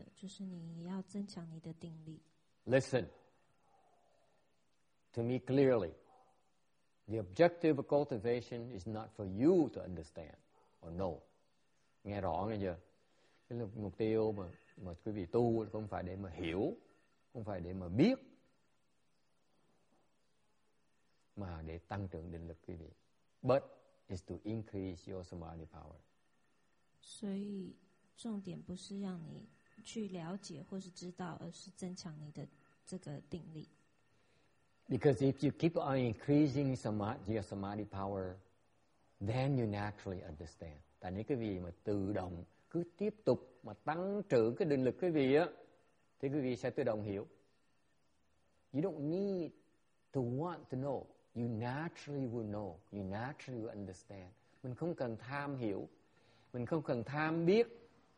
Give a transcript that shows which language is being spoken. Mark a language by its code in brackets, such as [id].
[zh] 这就是我要你们了解的，就是你要增强你的定力。 [en] Listen. To me clearly, the objective of cultivation is not for you to understand or know. [vi] Nghe rõ nghe chưa? Cái là mục tiêu mà quý vị tu không phải để mà hiểu, không phải để mà biết, mà để tăng trưởng định lực quý vị. [en] But it's to increase your samadhi power. [zh] 所以重点不是让你去了解或是知道, 而是增强你的这个定力。 [en] Because if you keep on increasing your samadhi power, then you naturally understand. [vi] Tại nếu quý vị mà tự động cứ tiếp tục mà tăng trưởng cái định lực quý vị á, thì quý vị sẽ tự động hiểu. [en] You don't need to want to know. You naturally will know. You naturally will understand. [vi] Mình không cần tham hiểu. Mình không cần tham biết.